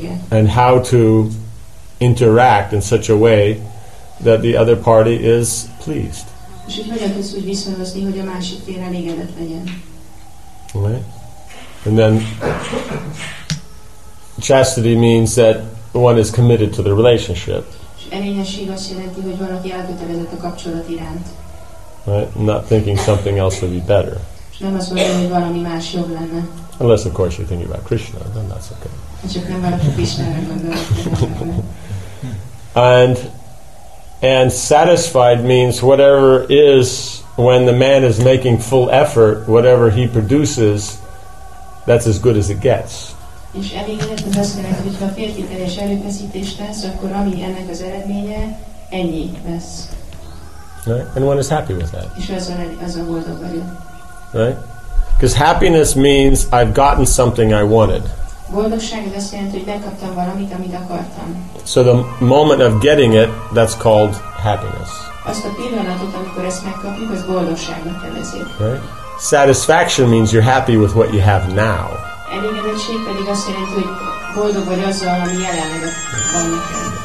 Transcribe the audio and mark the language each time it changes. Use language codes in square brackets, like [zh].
[en] And how to interact in such a way that the other party is pleased. Okay. And then chastity means that one is committed to the relationship. [hu] Erényesség azt jelenti, hogy valaki elkötelezett a kapcsolat iránt. [en] right? Not thinking something else would be better. [hu] Nem azt mondani, hogy valami más jobb lenne. [en] Unless, of course, you're thinking about Krishna, then that's okay. And satisfied means whatever is, when the man is making full effort, whatever he produces, that's as good as it gets. [hu] És elégedett az azt jelenti, hogy ha férfi teljes erőfeszítést tesz, akkor ami ennek az eredménye, ennyi lesz. [en] Right? And one is happy with that. [hu] És az a boldog vagyok. [en] Right? Because happiness means I've gotten something I wanted. [hu] Boldogság az azt jelenti, hogy megkaptam valamit, amit akartam. [en] So the moment of getting it, that's called happiness. [hu] Azt a pillanatot, amikor ezt megkapjuk, az boldogságnak nevezik. [en] Right? Satisfaction means you're happy with what you have now. [hu] Elégedettség pedig azt jelenti, hogy boldog vagy azzal, ami jelenleg van nekem.